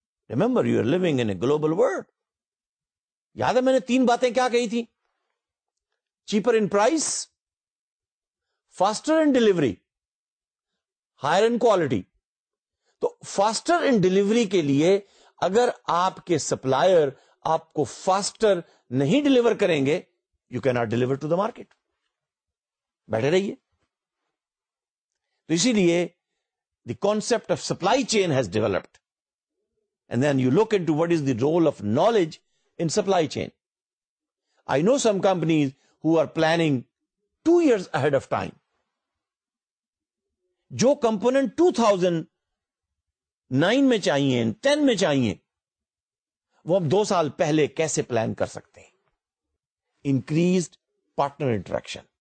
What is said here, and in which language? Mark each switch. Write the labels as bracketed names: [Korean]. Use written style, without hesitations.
[English] Remember you are living in a global world. [Urdu] یاد ہے میں نے تین باتیں کیا کہی تھی؟ [English] Cheaper in price, faster in delivery, higher in quality. [Urdu] تو [English] faster in delivery [Urdu] کے لیے اگر آپ کے سپلائر آپ کو فاسٹر نہیں ڈیلیور کریں گے، [English] you can not deliver to the market, [Urdu] بیٹھے رہیے. تو اسی لیے [English] The concept of supply chain has developed and then you look in to what is the role of knowledge in supply chain. I know some companies who are planning 2 years ahead of time. [Urdu] جو component 2009 میں چاہیے، 10 میں چاہیے، وہ ہم 2 سال پہلے کیسے پلان کر سکتے ہیں؟ [English] Increased partner interaction.